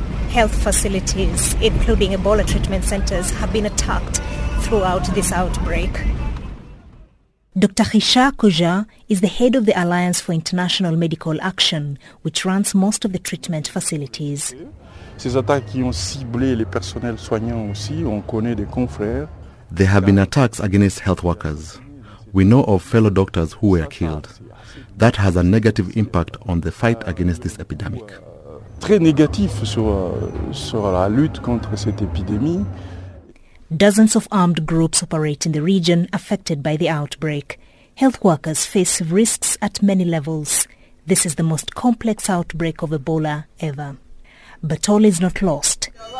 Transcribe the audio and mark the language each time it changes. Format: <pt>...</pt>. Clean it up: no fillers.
<en>Health facilities, including Ebola treatment centers, have been attacked throughout this outbreak. Dr. Richard Kouja is the head of the Alliance for International Medical Action, which runs most of the treatment facilities.</en> <fr>Ces attaques qui ont ciblé les personnels soignants aussi, on connaît des confrères.</fr> <en>There have been attacks against health workers. We know of fellow doctors who were killed. That has a negative impact on the fight against this epidemic.</en> <fr>Très négatif sur la lutte contre cette épidémie.</fr> <en>Dozens of armed groups operate in the region affected by the outbreak. Health workers face risks at many levels. This is the most complex outbreak of Ebola ever. But all is not lost.</en>